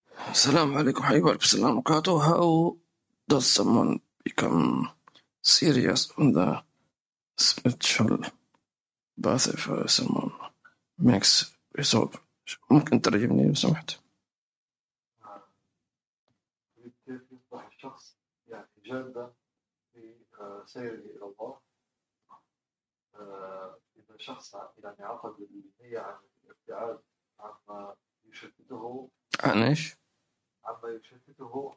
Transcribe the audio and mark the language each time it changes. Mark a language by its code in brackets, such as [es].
[ar] السلام عليكم حبيبي، وعليكم السلام ورحمة الله. [en] How does someone become serious on the spiritual path if someone makes resolve؟ [ar] ممكن ترجمني لو سمحت؟ كيف يصبح الشخص يعني جادا في سيره الى الله؟ اذا شخص يعني عقد النية عن الابتعاد عما يشتته، عن ايش؟ عما يشتته